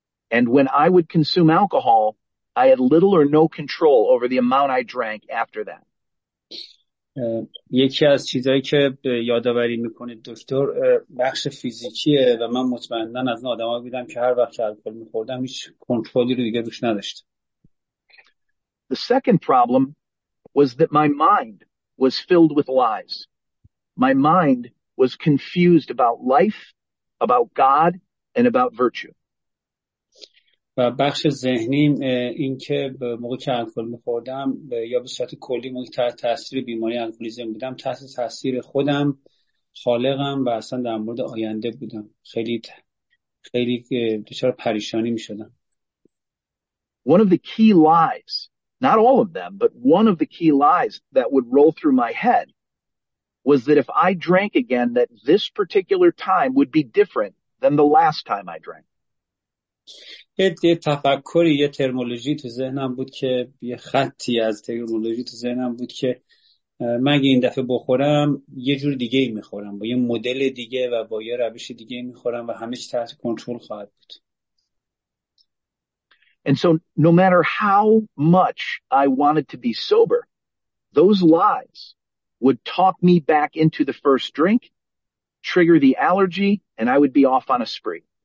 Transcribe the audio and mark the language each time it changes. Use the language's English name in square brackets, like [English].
[English] And when I would consume alcohol, I had little or no control over the amount I drank after that. [Persian] یکی از چیزایی که یادآوری میکنه دکتر بخش فیزیکیه و من مطمئنن از اون آدمایی بودم که هر وقت الکل میخوردم هیچ کنترلی رو دیگه روش نداشتم. [English] The second problem was that my mind was filled with lies. My mind was confused about life, about God, and about virtue. [Persian] و بخش ذهنیم این که به موقع که الکل می‌خوردم یا به صورت کلی موقع تحت تاثیر بیماری الکلیزم بودم، تحت تاثیر خودم، خالقم و اصلا در مورد آینده بودم. خیلی خیلی دچار پریشانی می‌شدم. [English] One of the key lies, not all of them, but one of the key lies that would roll through my head was that if I drank again, that this particular time would be different than the last time I drank. [Persian] یه تفکری، یه ترمولوژی تو ذهنم بود که یه خطی از ترمولوژی تو ذهنم بود که مگه این دفعه بخورم یه جور دیگه ای میخورم، با یه مدل دیگه و با یه روش دیگه ای میخورم و همه چی تحت کنترل خواهد بود. [English] And so no matter how much I wanted to be sober, those lies would talk me back into the first drink, trigger the allergy, and I would be off on a spree.